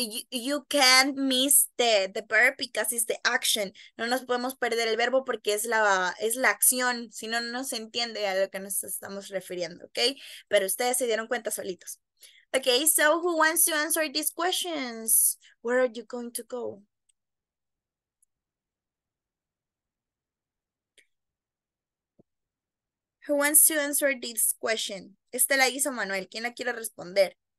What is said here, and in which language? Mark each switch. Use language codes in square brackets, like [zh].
[en] You can miss the verb because it's the action. [es] No nos podemos perder el verbo porque es la acción. Si no, no se entiende a lo que nos estamos refiriendo, ¿okay? Pero ustedes se dieron cuenta solitos. [en] Okay, so who wants to answer these questions? Where are you going to go? Who wants to answer this question? [es] Esta la hizo Manuel. ¿Quién la quiere responder?